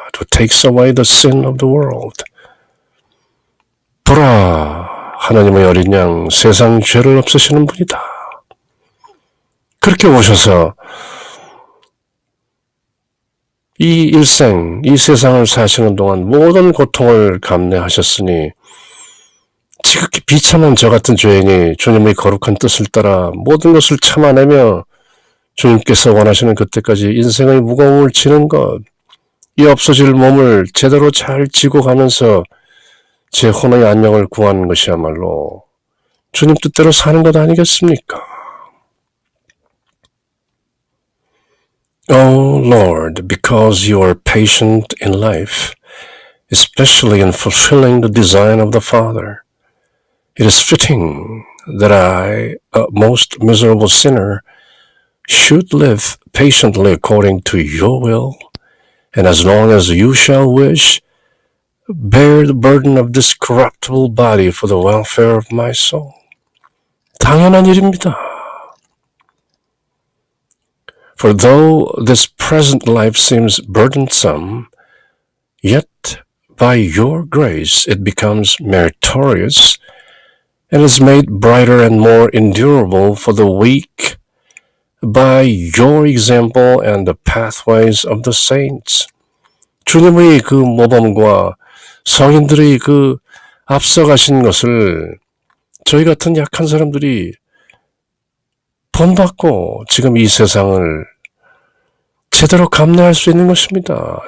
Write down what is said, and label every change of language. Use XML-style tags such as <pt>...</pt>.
<en>Who takes away the sin of the world.</en> <ko>보라, 하나님의 어린 양, 세상 죄를 없애시는 분이다. 그렇게 오셔서 이 일생, 이 세상을 사시는 동안 모든 고통을 감내하셨으니 지극히 비참한 저 같은 죄인이 주님의 거룩한 뜻을 따라 모든 것을 참아내며 주님께서 원하시는 그때까지 인생의 무거움을 지는 것, 이 없어질 몸을 제대로 잘 지고 가면서 제 혼의 안녕을 구하는 것이야말로 주님 뜻대로 사는 것 아니겠습니까?</ko> <en>Oh Lord, because you are patient in life, especially in fulfilling the design of the Father, it is fitting that I, a most miserable sinner, should live patiently according to your will. And as long as you shall wish, bear the burden of this corruptible body for the welfare of my soul.</en> <ko>당연한 일입니다.</ko> <en>For though this present life seems burdensome, yet by your grace it becomes meritorious and is made brighter and more endurable for the weak by your example and the pathways of the saints.</en> <ko>주님의 그 모범과 성인들의 그 앞서가신 것을 저희 같은 약한 사람들이 본받고 지금 이 세상을 제대로 감내할 수 있는 것입니다.</ko>